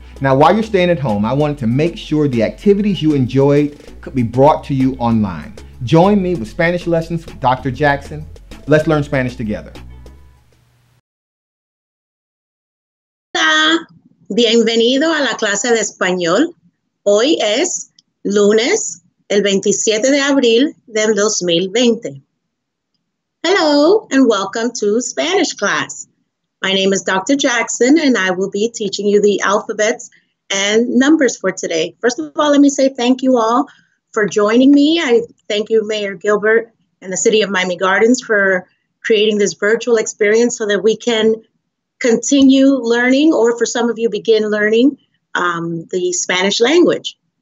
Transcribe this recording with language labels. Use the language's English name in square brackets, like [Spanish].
[English] Now, while you're staying at home, I wanted to make sure the activities you enjoyed could be brought to you online. Join me with Spanish lessons with Dr. Jackson. Let's learn Spanish together. [Spanish] Hola, bienvenido a la clase de español. Hoy es lunes, el 27 de abril del 2020. [English] Hello, and welcome to Spanish class. My name is Dr. Jackson, and I will be teaching you the alphabets and numbers for today. First of all, let me say thank you all for joining me. I thank you, Mayor Gilbert, and the City of Miami Gardens for creating this virtual experience so that we can continue learning, or for some of you, begin learning the Spanish language.